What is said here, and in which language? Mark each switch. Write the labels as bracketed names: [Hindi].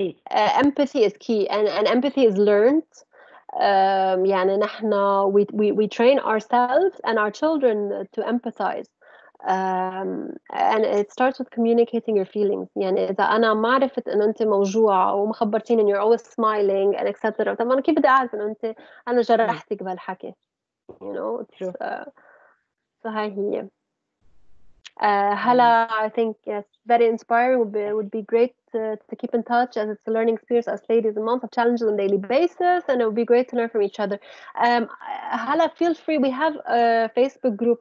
[English] Empathy is key, and empathy is learned. [Arabic] يعني نحنا [English] we train ourselves and our children to empathize, and it starts with communicating your feelings. [Arabic] يعني إذا أنا ما عرفت إن أنت موجوعة ومخبرتين [English] and you're always smiling and etc. [Arabic] طبعا أنا كيف بدي أعرف إن أنت أنا جرحتك بهالحكي, [English] you know. So [Arabic] هاي هي. هلا, [English] I think yes, very inspiring. Would be great to keep in touch, as it's a learning experience as ladies, a month of challenges on a daily basis, and it would be great to learn from each other. Hala, feel free. We have a Facebook group.